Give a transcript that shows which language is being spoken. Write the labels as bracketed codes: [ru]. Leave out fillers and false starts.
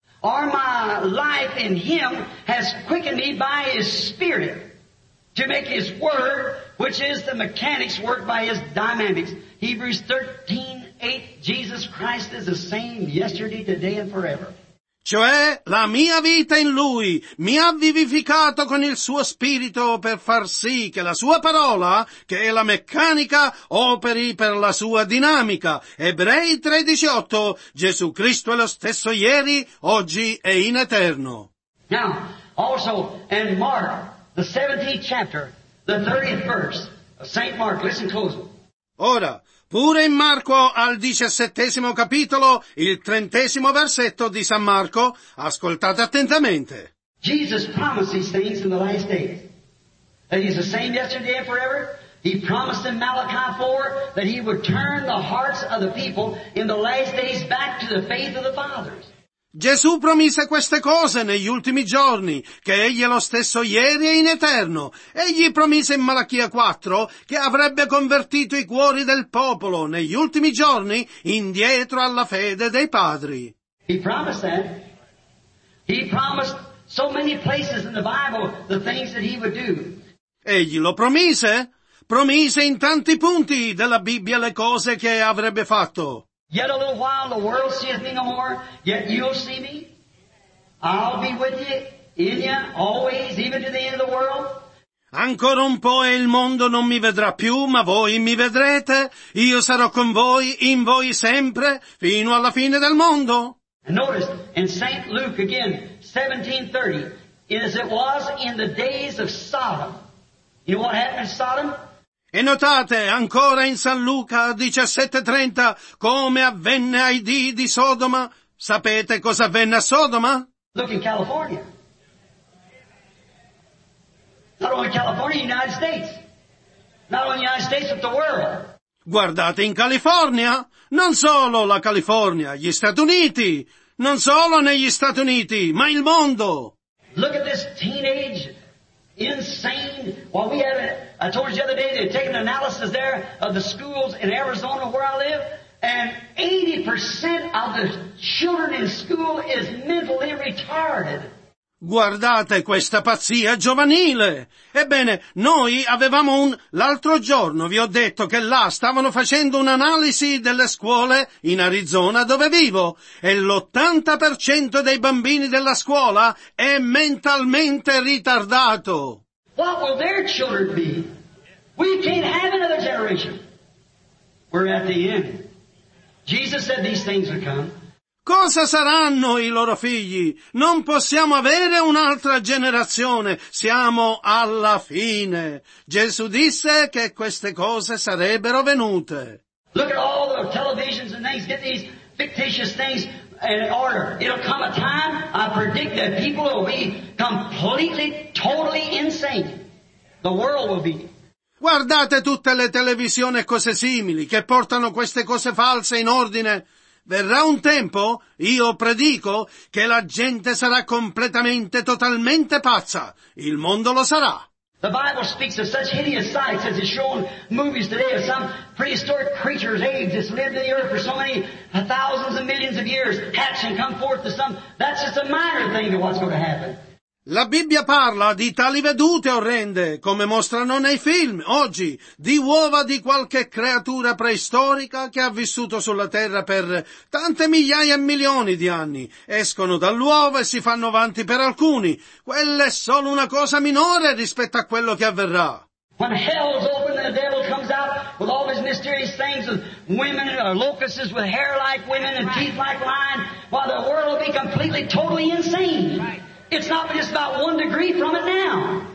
[en] Or my life in him has quickened me by his Spirit. To make his word, which is the mechanics, work by his dynamics. Hebrews 13:8, Jesus Christ is the same yesterday, today, and forever. [it] cioè la mia vita in Lui, mi ha vivificato con il Suo Spirito per far sì che la Sua parola, che è la meccanica, operi per la Sua dinamica. Ebrei 13:8, Gesù Cristo è lo stesso ieri, oggi e in eterno. [en] Now, also in Mark, the 17th chapter, the 30th verse, St. Mark, listen closely. [it] Ora, pure in Marco al 17° capitolo, il 30° versetto di San Marco, ascoltate attentamente. [en] Jesus promises things in the last days. That he's the same yesterday and forever. He promised in Malachi 4 that he would turn the hearts of the people in the last days back to the faith of the fathers. [it] Gesù promise queste cose negli ultimi giorni, che egli è lo stesso ieri e in eterno. Egli promise in Malachia 4 che avrebbe convertito i cuori del popolo negli ultimi giorni indietro alla fede dei padri. [en] He promised that. He promised so many places in the Bible the things that he would do. [it] Egli lo promise? Promise in tanti punti della Bibbia le cose che avrebbe fatto. [en] Yet a little while the world seeth me no more, yet you'll see me. I'll be with you, in you, always, even to the end of the world. [it] Ancora un po' e il mondo non mi vedrà più, ma voi mi vedrete. Io sarò con voi, in voi sempre, fino alla fine del mondo. [en] And notice, in St. Luke again, 17:30, as it was in the days of Sodom. You know what happened to Sodom? [it] E notate, ancora in San Luca 17:30, come avvenne ai dì di Sodoma. Sapete cosa avvenne a Sodoma? [en] Look in California. Not only California, United States. Not only United States, but the world. [it] Guardate in California. Non solo la California, gli Stati Uniti. Non solo negli Stati Uniti, ma il mondo. [en] Look at this teenage... insane. Well, we had a, I told you the other day, they had taken an analysis there of the schools in Arizona where I live, and 80% of the children in school is mentally retarded. [it] Guardate questa pazzia giovanile. Ebbene, noi avevamo un... L'altro giorno vi ho detto che là stavano facendo un'analisi delle scuole in Arizona dove vivo, e l'80% dei bambini della scuola è mentalmente ritardato. [en] What will their children be? We can't have another generation. We're at the end. Jesus said these things would come. [it] Cosa saranno i loro figli? Non possiamo avere un'altra generazione. Siamo alla fine. Gesù disse che queste cose sarebbero venute. [en] Look at all the televisions and things. Get these fictitious things in order. It'll come a time, I predict, that people will be completely, totally insane. The world will be... [it] Guardate tutte le televisioni e cose simili che portano queste cose false in ordine. Verrà un tempo, io predico, che la gente sarà completamente, totalmente pazza. Il mondo lo sarà. [en] The Bible speaks of such hideous sights as is shown movies today of some prehistoric creatures, apes, that's lived in the earth for so many thousands and millions of years, hatch and come forth to some. That's just a minor thing to what's going to happen. [it] La Bibbia parla di tali vedute orrende, come mostrano nei film, oggi, di uova di qualche creatura preistorica che ha vissuto sulla terra per tante migliaia e milioni di anni. Escono dall'uovo e si fanno avanti per alcuni. Quella è solo una cosa minore rispetto a quello che avverrà. [en] When hell's open and the devil comes out with all his mysterious things of women or locusts with hair like women and teeth like lions, while the world will be completely, totally insane. Right. It's not just about one degree from it now.